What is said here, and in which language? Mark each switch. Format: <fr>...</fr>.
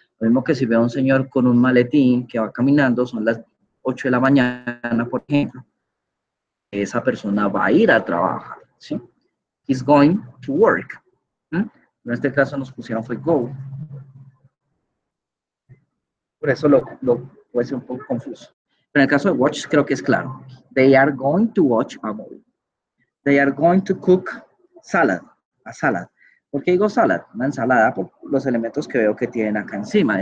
<es>Lo mismo que si veo a un señor con un maletín que va caminando, son las 8 de la mañana, por ejemplo, esa persona va a ir a trabajar, ¿sí?</es> <en>He's going to work.</en> <es>En este caso nos pusieron fue go. Por eso lo puede ser un poco confuso. Pero en el caso de watch creo que es claro.</es> <en>They are going to watch a movie. They are going to cook a salad.</en> <es>¿Por qué digo salad? Una ensalada por los elementos que veo que tienen acá encima.</es>